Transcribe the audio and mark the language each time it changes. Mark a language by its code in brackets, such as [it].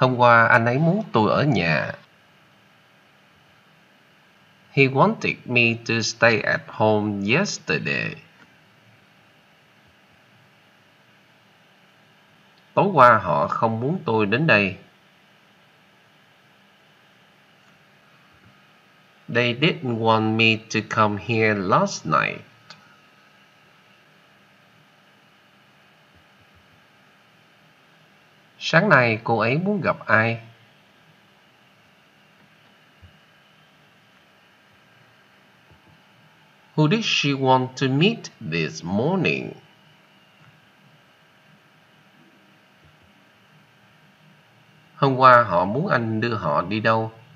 [vi] Hôm qua anh ấy muốn tôi ở nhà. [en] He wanted me to stay at home yesterday. [vi] Tối qua họ không muốn tôi đến đây. [en] They didn't want me to come here last night. [vi] Sáng nay cô ấy muốn gặp ai? [en] Who did she want to meet this morning? [vi] Hôm qua họ muốn anh đưa họ đi đâu?